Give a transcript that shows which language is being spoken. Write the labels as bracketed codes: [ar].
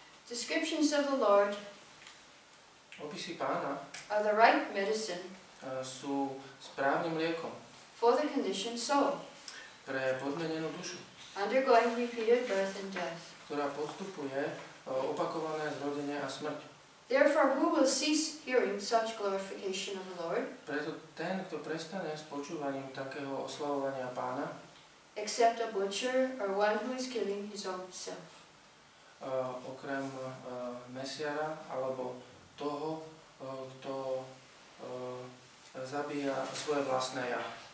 [en] Descriptions of the Lord. [sk] Opisy pána. [en] Are the right medicine. [sk] Sú správnym liekom. [en] For the conditioned soul. [sk] Pre podmenenú dušu. [en] Undergoing repeated birth and death. [sk] Ktorá postupuje opakované zrodenie a smrť. [en] Therefore, who will cease hearing such glorification of the Lord? [sk] Preto ten, kto prestane s počúvaním takého oslavovania Pána. [en] Except a butcher or one who is killing his own self. [sk] Okrem mesiara alebo toho, kto zabíja svoje vlastné ja.